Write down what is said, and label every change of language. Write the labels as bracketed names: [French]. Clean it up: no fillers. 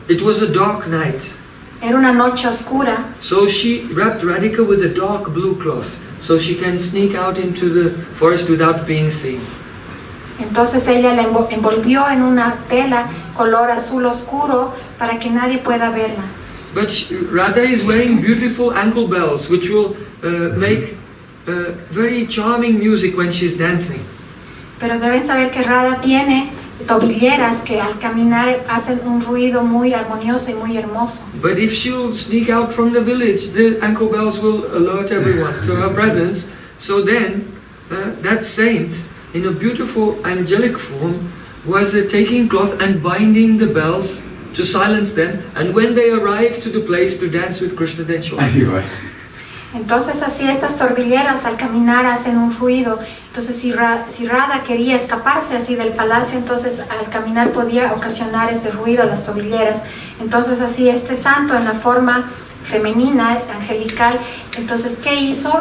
[English] It was a dark night. [Spanish] Era una noche oscura. [English] So she wrapped Radhika with a dark blue cloth so she can sneak out into the forest without being seen. [Spanish] Entonces ella la envolvió en una tela color azul oscuro para que nadie pueda verla. [English] But Radha is wearing beautiful ankle bells which will make very charming music when she's dancing. [Spanish] Pero deben saber que Radha tiene tobilleras que al caminar hacen un ruido muy armonioso y muy hermoso. [English] But if she'll sneak out from the village, the ankle bells will alert everyone to her presence. So then, that saint, in a beautiful angelic form, was taking cloth and binding the bells to silence them, and when they arrived to the place to dance with Krishna, then she went. [Spanish] Entonces así estas torbilleras al caminar hacen un ruido. Entonces si Radha quería escaparse así del palacio, entonces al caminar podía ocasionar este ruido a las torbilleras. Entonces así este santo en la forma femenina, angelical, entonces ¿qué hizo?